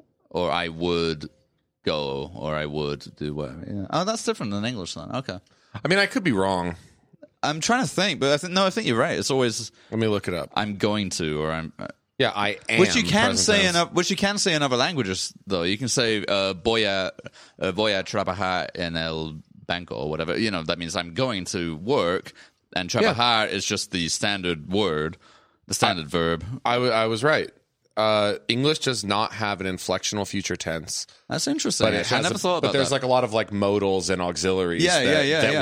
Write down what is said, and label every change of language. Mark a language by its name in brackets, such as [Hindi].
[English] Or I would go, or I would do whatever. Yeah. Oh, that's different than English then. Okay. I mean, I could be wrong. I'm trying to think, but I think you're right. It's always... Let me look it up. I'm going to, or I'm... Yeah, I am. Which you can say in other languages, though. You can say [Spanish] voy a trabajar en el banco [English] or whatever. You know, that means I'm going to work, and trabajar is just the standard word, the standard verb. I was right. English does not have an inflectional future tense. That's interesting. I never thought about that. But there's like a lot of like modals and auxiliaries that